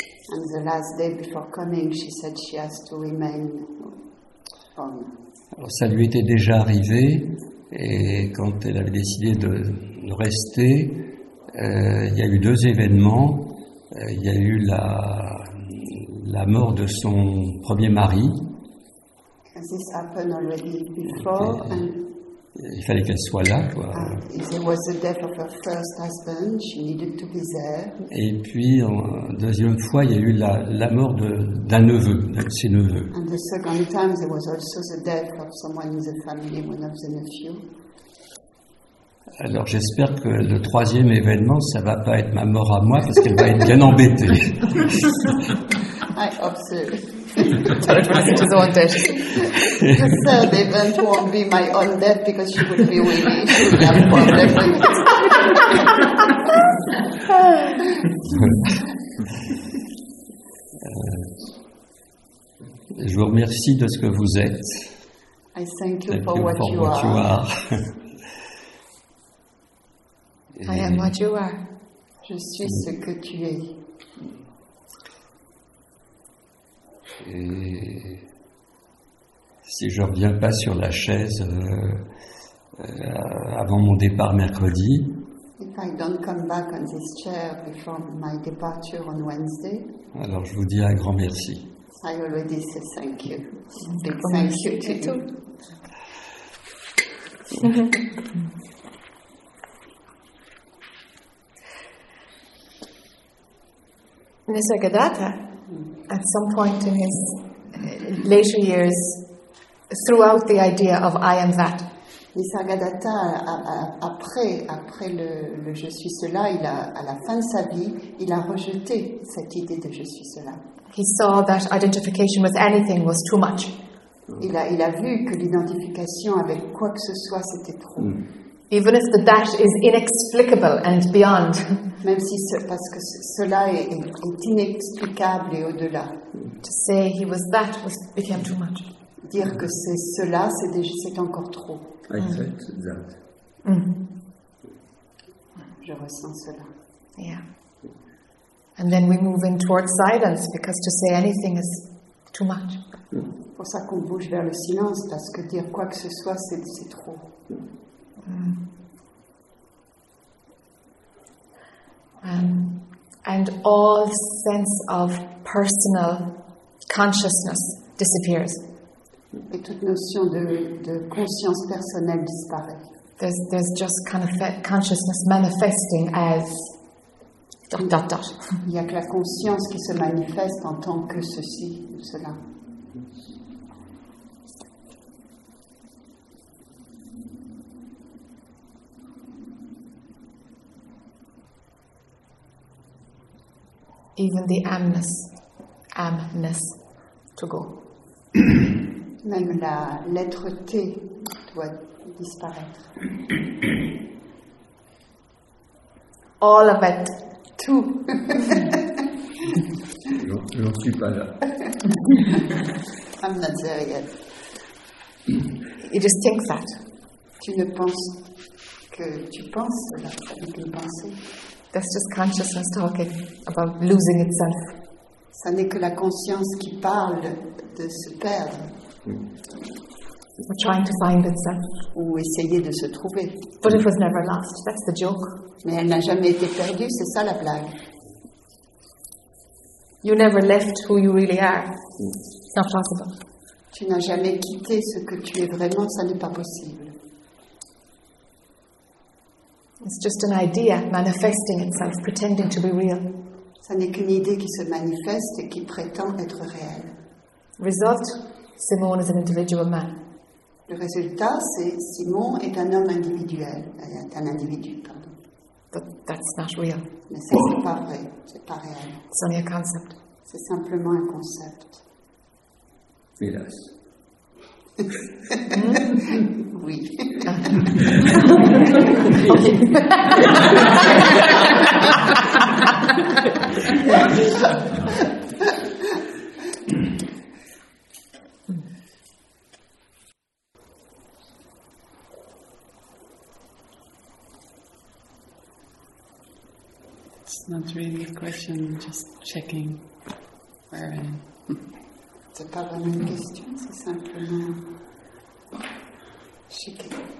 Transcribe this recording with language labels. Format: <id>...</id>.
<en>And the last day before coming, she said she has to remain home.</en> <fr>Alors, ça lui était déjà arrivé, et quand elle avait décidé de rester, il y a eu deux événements. Il y a eu la mort de son premier mari.</fr> <en>This happened already before. Okay. And</en> <fr>il fallait qu'elle soit là, quoi.</fr> <en>It was the death of her first husband. She needed to be there.</en> <fr>Et puis, en deuxième fois, il y a eu la mort d'un neveu, de ses neveux.</fr> <en>And the second time, there was also the death of someone in the family, one of the nephews.</en> <fr>Alors j'espère que le troisième événement, ça va pas être ma mort à moi, parce qu'elle va être bien embêtée.</fr> <en>I hope so. The third event won't be my own death, because she would be with me. She would have problems.</en> <fr>Je vous remercie de ce que vous êtes.</fr> <en>I thank you for what you are. You are. I am what you are.</en> <fr>Je suis ce que tu es. Et si je ne reviens pas sur la chaise avant mon départ mercredi,</fr> <en>if I don't come back on this chair before my departure on Wednesday,</en> <fr>alors je vous dis un grand merci.</fr> <en>I already say thank you. Big thank you to you. Nisargadatta, at some point in his later years, threw out the idea of I am that.</en> <fr>Nisargadatta, après le je suis cela, il a, à la fin de sa vie, il a rejeté cette idée de je suis cela.</fr> <en>He saw that identification with anything was too much.</en> <fr>Il a vu que l'identification avec quoi que ce soit, c'était trop. Mm.</fr> <en>Even if the that is inexplicable and beyond.</en> <fr>Même si parce que cela est inexplicable et au-delà.</fr> <en>To say he was that became too much.</en> <fr>Dire que c'est cela, c'est encore trop.</fr> <en>I felt that.</en> <fr>Je ressens cela.</fr> <en>Yeah. And then we move in towards silence, because to say anything is too much.</en> <fr>C'est pour ça qu'on bouge vers le silence, parce que dire quoi que ce soit, c'est trop.</fr> <en>And all sense of personal consciousness disappears.</en> <fr>Et toute notion de conscience personnelle disparaît.</fr> <en>There's just kind of consciousness manifesting as dot dot dot.</en> <fr>Il y a que la conscience qui se manifeste en tant que ceci ou cela.</fr> <en>Even the amness to go.</en> <fr>Même la lettre T doit disparaître.</fr> <en>All of it.</en> <fr>Tout. Je ne suis pas là.</fr> <en>I'm not there yet. You just think that.</en> <fr>Tu ne penses que tu penses cela. Tu peux penser.</fr> <en>That's just consciousness talking about losing itself.</en> <fr>Ça n'est que la conscience qui parle de se perdre.</fr> <en>Or trying to find itself.</en> <fr>Ou essayer de se trouver.</fr> <en>But it was never lost. That's the joke.</en> <fr>Mais elle n'a jamais été perdue. C'est ça la blague.</fr> <en>You never left who you really are. Not possible.</en> <fr>Tu n'as jamais quitté ce que tu es vraiment. Ça n'est pas possible.</fr> <en>It's just an idea manifesting itself, pretending to be real.</en> <fr>Ça n'est qu'une idée qui se manifeste et qui prétend être réelle.</fr> <en>Result, Simone is an individual man.</en> <fr>Le résultat, c'est Simon est un homme individuel, est un individu, pardon.</fr> <en>But that's not real.</en> <fr>Mais ça, c'est pas vrai, c'est pas réel.</fr> <en>It's only a concept.</en> <fr>C'est simplement un concept. Hélas. Oui.</fr> <en>It's not really a question, just checking where I am.</en> <fr>C'est pas vraiment une question, c'est simplement chiquer.</fr>